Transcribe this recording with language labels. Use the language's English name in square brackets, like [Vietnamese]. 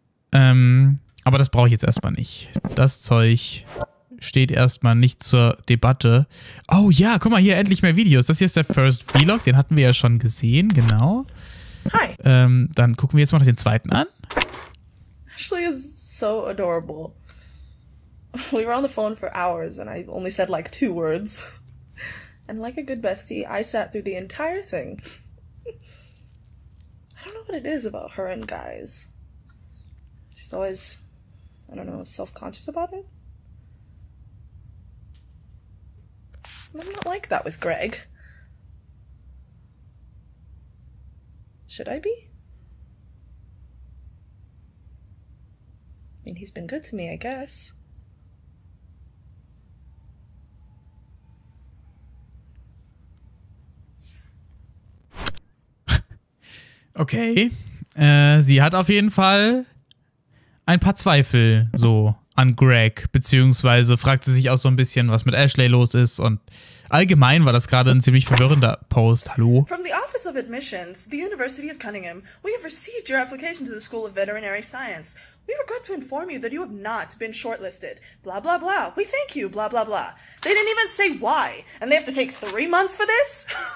[German] Aber das brauche ich jetzt erstmal nicht. Das Zeug steht erstmal nicht zur Debatte. Oh ja, guck mal, hier endlich mehr Videos. Das hier ist der First Vlog, den hatten wir ja schon gesehen, genau. [English] Hi. [German] Dann gucken wir jetzt mal noch den zweiten an. [English] Ashley is so adorable. We were on the phone for hours and I only said like two words. And like a good bestie, I sat through the entire thing. I don't know what it is about her and guys. She's always, I don't know, self-conscious about it. I'm not like that with Greg. Should I be? I mean, he's been good to me, I guess. Okay. [German] Sie hat auf jeden Fall ein paar Zweifel so an Greg, beziehungsweise fragt sie sich auch so ein bisschen, was mit Ashley los ist, und allgemein war das gerade ein ziemlich verwirrender Post. Hallo? [English] From the Office of Admissions, the University of Cunningham, we have received your application to the School of Veterinary Science. We regret to inform you that you have not been shortlisted. Blah, blah, blah. We thank you. Blah, blah, blah. They didn't even say why. And they have to take 3 months for this?